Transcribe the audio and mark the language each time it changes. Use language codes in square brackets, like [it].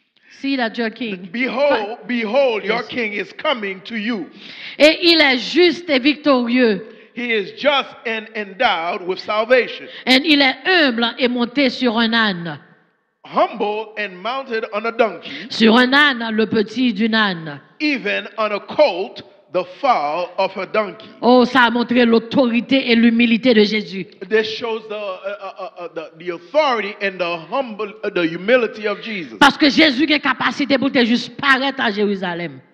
[en] See that your king. Behold, your king is coming to you. [fr] Et il est juste et victorieux. [en] He is just and endowed with salvation. [fr] Et il est humble et monté sur un âne. [en] Humble and mounted on a donkey. [fr] Sur un âne, le petit d'une âne. [en] Even on a colt, the foal of a donkey. [fr] Oh, ça a montré l'autorité et l'humilité de Jésus. [en] This shows the authority and the humble the humility of Jesus. [fr] Parce que Jésus a capacité pour te juste paraître à Jérusalem.